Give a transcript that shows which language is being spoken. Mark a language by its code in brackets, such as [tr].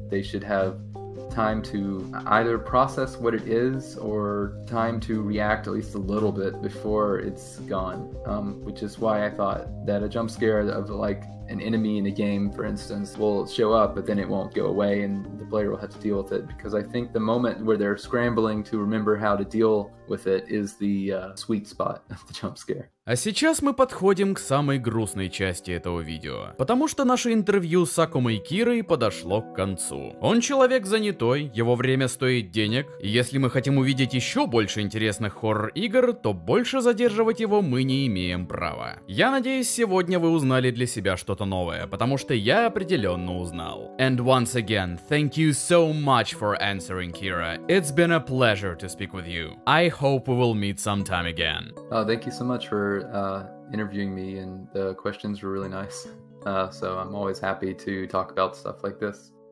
[en] They should have time to either process what it is or time to react at least a little bit before it's gone, which is why I thought that a jump scare of like an enemy in a game, for instance, will show up but then it won't go away and the player will have to deal with it, because I think the moment where they're scrambling to remember how to deal with it is the sweet spot of the jump scare. [ru] А сейчас мы подходим к самой грустной части этого видео, потому что наше интервью с Акумой и Кирой подошло к концу. Он человек занятой, его время стоит денег, и если мы хотим увидеть еще больше интересных хоррор-игр, то больше задерживать его мы не имеем права. Я надеюсь, сегодня вы узнали для себя что-то новое, потому что я определенно узнал. [en] And once again, thank you so much for answering, Kira. It's been a pleasure to speak with you. I hope we will meet sometime again. Oh, thank you so much for interviewing me, and the questions were really nice. So I'm always happy to talk about stuff like this.